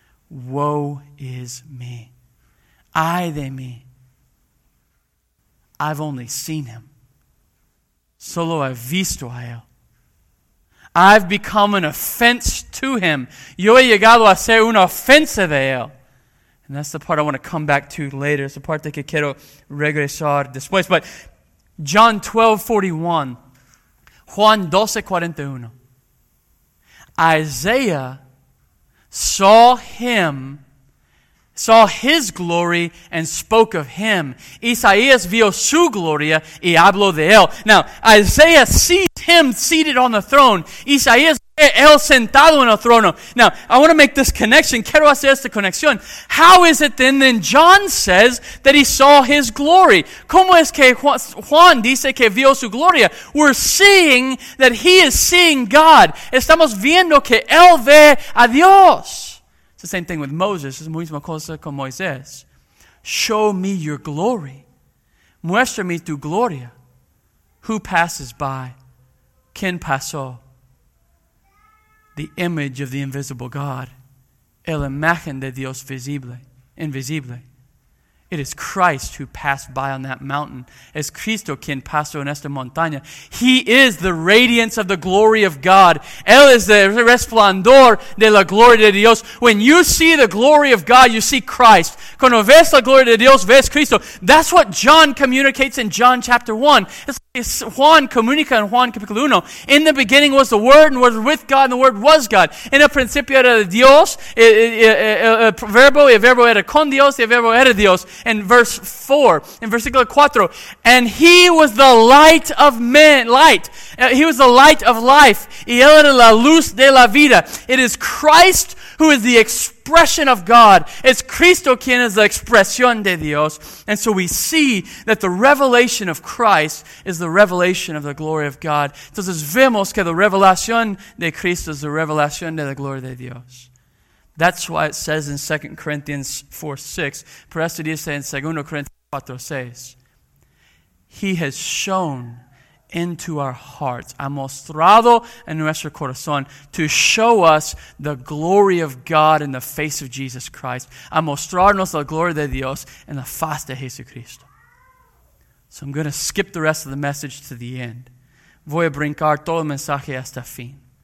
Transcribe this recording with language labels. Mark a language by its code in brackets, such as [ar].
[en] Woe is me. [es] Ay de mí. [en] I've only seen him. [es] Solo he visto a él. [en] I've become an offense to him. [es] Yo he llegado a ser una ofensa de él. [en] And that's the part I want to come back to later. It's the part that [es] quiero regresar después. [en] But John 12:41. Juan 12:41. Isaiah saw him, saw his glory, and spoke of him. [es] Isaías vio su gloria y habló de él. [en] Now, Isaiah sees him seated on the throne. [es] Isaías ve él sentado en el trono. [en] Now, I want to make this connection. [es] Quiero hacer esta conexión. [en] How is it then John says that he saw his glory? [es] ¿Cómo es que Juan dice que vio su gloria? [en] We're seeing that he is seeing God. [es] Estamos viendo que él ve a Dios. [en] It's the same thing with Moses. [es] Es la misma cosa con Moisés. [en] Show me your glory. [es] Muéstrame tu gloria. [en] Who passes by? [es] ¿Quién pasó? [en] The image of the invisible God. [es] El imagen de Dios visible, invisible. [en] It is Christ who passed by on that mountain. [es] Es Cristo quien pasó en esta montaña. [en] He is the radiance of the glory of God. [es] Él es el resplandor de la gloria de Dios. [en] When you see the glory of God, you see Christ. [es] Cuando ves la gloria de Dios, ves Cristo. [en] That's what John communicates in John chapter 1. It's [es] Juan comunica in Juan capítulo 1. [en] In the beginning was the Word, and was with God, and the Word was God. [es] En el principio era Dios, el verbo era con Dios, y el verbo era Dios. [en] In verse 4, in versículo 4, and he was the light of men, light. He was the light of life. [es] Y él era la luz de la vida. [en] It is Christ who is the expression of God. It's [es] Cristo quien es la expresión de Dios. [en] And so we see that the revelation of Christ is the revelation of the glory of God. [es] Entonces vemos que la revelación de Cristo es la revelación de la gloria de Dios. [en] That's why it says in 2 Corinthians 4, 6, [es] por eso dice en 2 Corinthians 4, 6, [en] he has shown into our hearts, [es] ha mostrado en nuestro corazón, [en] to show us the glory of God in the face of Jesus Christ. [es] Ha mostrarnos la gloria de Dios en la faz de Jesucristo. [en] So I'm going to skip the rest of the message to the end. [es] Voy a brincar todo el mensaje hasta fin.